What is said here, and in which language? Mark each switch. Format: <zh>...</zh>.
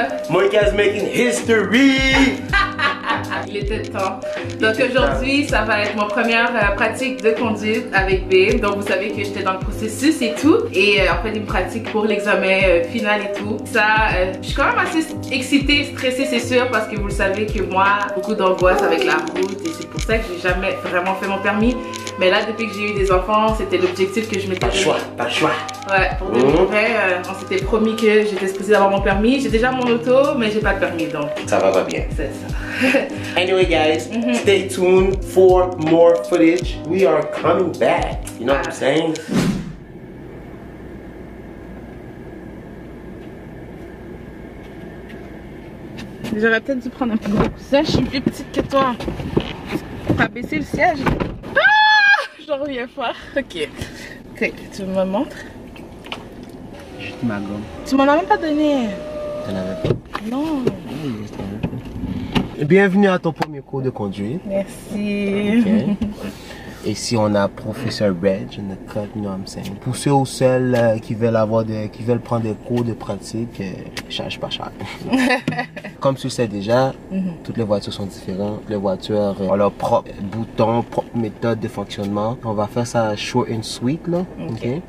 <en>Monica's making history.</en> <fr>Il était temps. Donc aujourd'hui, ça va être mon première pratique de conduite avec B. Donc vous savez que j'étais dans le processus et tout. Et en fait, une pratique pour l'examen final et tout. Ça, je suis quand même assez excitée, stressée, c'est sûr. Parce que vous le savez que moi, beaucoup d'angoisse avec la route. Et c'est pour ça que j'ai jamais vraiment fait mon permis. Mais là, depuis que j'ai eu des enfants, c'était l'objectif que je m'étais... Pas le choix, pas le choix. Ouais, pour de vrai, on s'était promis que j'étais supposée d'avoir mon permis. J'ai déjà mon auto, mais j'ai pas de permis, donc... Ça va pas bien. C'est ça.</fr> <en>Anyway, guys, stay tuned for more footage. We are coming back. You know what I'm saying?</en> <fr>J'aurais peut-être dû prendre un peu de coussin. Je suis plus petite que toi. T'as baissé le siège. J'en reviens fort. Ok. Ok, tu me montres? Chut, ma gomme. Tu m'en as même pas donné. T'en avais pas? Non. Bienvenue à ton premier cours de conduite. Merci. Okay. Ici, on a professeur Reg, on a cut,</fr> <en>you know what I'm saying.</en> <fr>Pour ceux ou celles qui veulent avoir des, qui veulent prendre des cours de pratique, charge pas cher. Comme tu sais déjà, toutes les voitures sont différentes. Les voitures ont leur propre bouton, propre méthode de fonctionnement. On va faire ça</fr> <en>short and sweet</en> <fr>là. Okay. Okay.</fr>